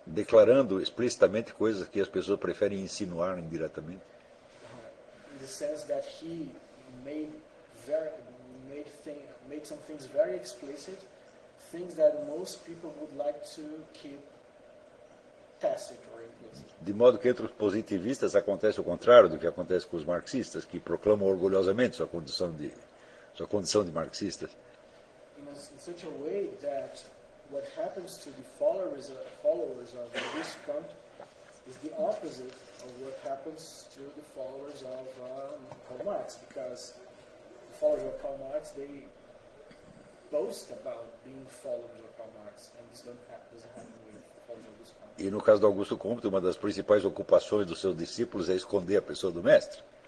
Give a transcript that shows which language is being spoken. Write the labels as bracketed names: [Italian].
[Portuguese] Declarando explicitamente coisas que as pessoas preferem insinuar indiretamente. [English] In the sense that he made some things very explicit, things that most people would like to keep tacit or implicit. [Portuguese] De modo que entre os positivistas acontece o contrário do que acontece com os marxistas, que proclamam orgulhosamente sua condição de marxistas. [English] In such a way that what happens to the followers of this camp is the opposite of what happens to the followers of Karl Marx, because the followers of Karl Marx, they boast about being followers of Karl Marx, and this doesn't happen with followers of [Portuguese] Augusto. E no caso do Augusto Comte, uma das principais ocupações dos seus discípulos é esconder a pessoa do mestre.